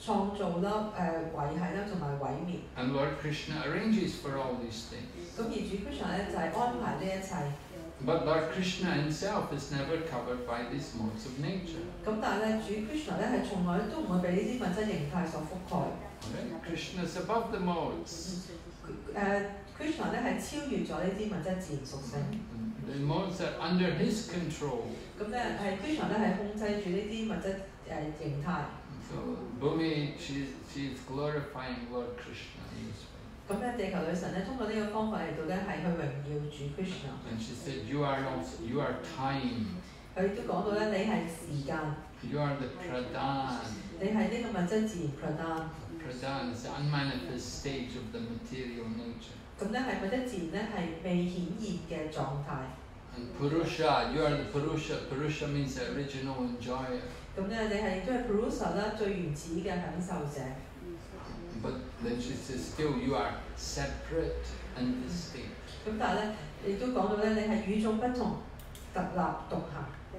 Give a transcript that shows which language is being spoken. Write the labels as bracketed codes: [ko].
[yue] 咁所以咧物質自然三種自然形態咧就係咧誒負責呢一個創造啦、誒維繫啦同埋毀滅。 [en] And Lord Krishna arranges for all these things. [yue] 咁而主Krishna咧就係安排呢一切。 [en] But Lord Krishna himself is never covered by these modes of nature. [yue] 咁但係咧，主Krishna咧係從來都唔會被呢啲物質形態所覆蓋。 [en] Krishna is above the modes. [yue] Krishna 咧係超越咗呢啲物質自然屬性。 [en] The modes are under his control. [yue] 咁咧係Krishna 咧係控制住呢啲物質形態。 [en] So Bhumi, she's glorifying Lord Krishna. [yue] 咁咧，地球女神咧，通過呢個方法嚟到咧，係去榮耀主 Krishna。 [en] And she said, "You are also, you are time." [yue] 佢都講到咧，你係時間。 [en] You are the pradhan. [yue] 你係呢個物質自然 pradhan。 [en] Pradhan is the unmanifest stage of the material nature. [yue] 咁咧係物質自然咧，係未顯現嘅狀態。 [en] And purusha, you are the purusha. Purusha means the original enjoyer. [yue] 咁咧，你係都係 purusha 啦，最原始嘅享受者。 [en] But then she says, still you are separate and distinct. [yue] 咁但係咧，亦都講到咧，你係與眾不同、獨立獨行。